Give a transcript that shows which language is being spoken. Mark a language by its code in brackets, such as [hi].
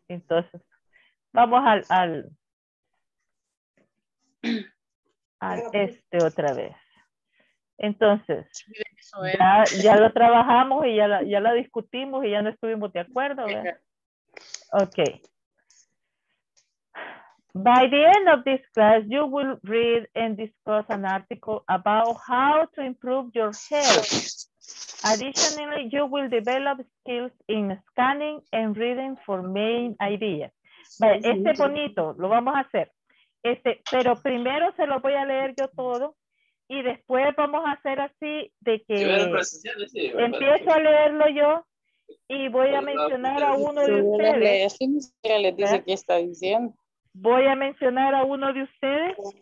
[es] Entonces, vamos al este otra vez. Entonces, ya lo trabajamos y ya la discutimos y ya no estuvimos de acuerdo, ¿verdad? Ok. [en] By the end of this class, you will read and discuss an article about how to improve your health. Additionally, you will develop skills in scanning and reading for main ideas. [es] Vale, este bonito, lo vamos a hacer. Pero primero se lo voy a leer yo todo y después vamos a hacer así de que empiezo a leerlo yo y voy a mencionar a uno de ustedes. ¿Qué le dice que está diciendo? Voy a mencionar a uno de ustedes.